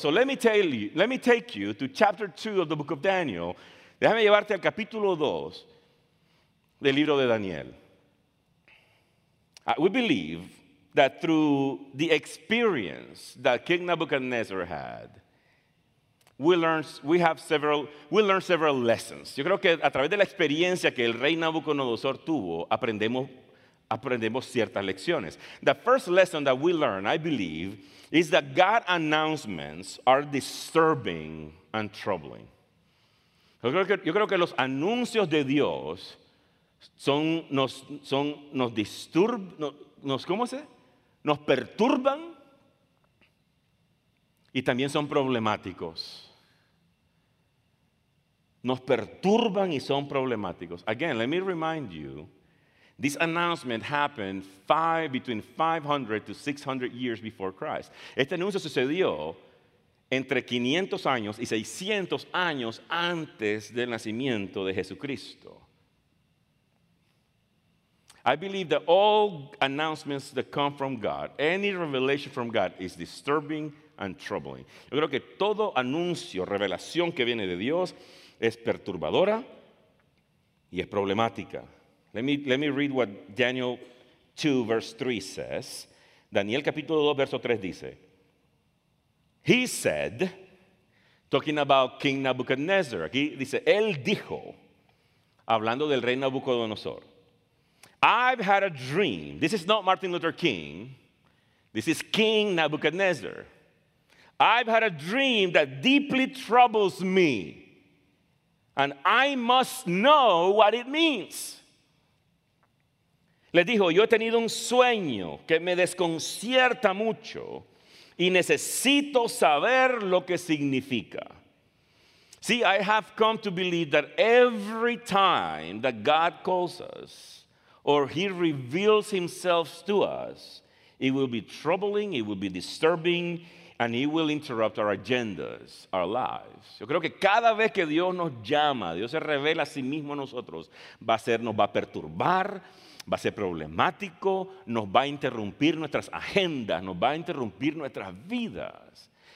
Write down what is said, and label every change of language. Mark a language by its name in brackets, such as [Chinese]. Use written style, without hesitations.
[English] So let me take you to chapter 2 of the book of Daniel. [Spanish] Déjame llevarte al capítulo 2 del libro de Daniel. [English] We believe that through the experience that King Nebuchadnezzar had, we learn several lessons. [Spanish] Yo creo que a través de la experiencia que el rey Nabucodonosor tuvo, aprendemos ciertas lecciones. [English] The first lesson that we learn, I believe, is that God's announcements are disturbing and troubling. [Spanish] Yo creo que los anuncios de Dios nos perturban y también son problemáticos. Nos perturban y son problemáticos. [English] Again, let me remind you, this announcement happened between 500 to 600 years before Christ. [Spanish] Este anuncio sucedió entre 500 años y 600 años antes del nacimiento de Jesucristo. [English] I believe that all announcements that come from God, any revelation from God, is disturbing and troubling. [Spanish] Yo creo que todo anuncio, revelación que viene de Dios es perturbadora y es problemática. [English] Let me read what Daniel 2, verse 3 says. [Spanish] Daniel capítulo 2, verso 3 dice, [English] he said, talking about King Nebuchadnezzar, [Spanish] aquí dice, él dijo, hablando del rey Nabucodonosor, [English] I've had a dream. This is not Martin Luther King. This is King Nebuchadnezzar. I've had a dream that deeply troubles me, and I must know what it means. [Spanish] Le dijo, yo he tenido un sueño que me desconcierta mucho y necesito saber lo que significa. [English] See, I have come to believe that every time that God calls us or he reveals himself to us, it will be troubling, it will be disturbing, and it will interrupt our agendas, our lives. [Spanish] Yo creo que cada vez que Dios nos llama, Dios se revela a sí mismo a nosotros, nos va a perturbar, va a ser problemático, nos va a interrumpir nuestras agendas, nos va a interrumpir nuestras vidas.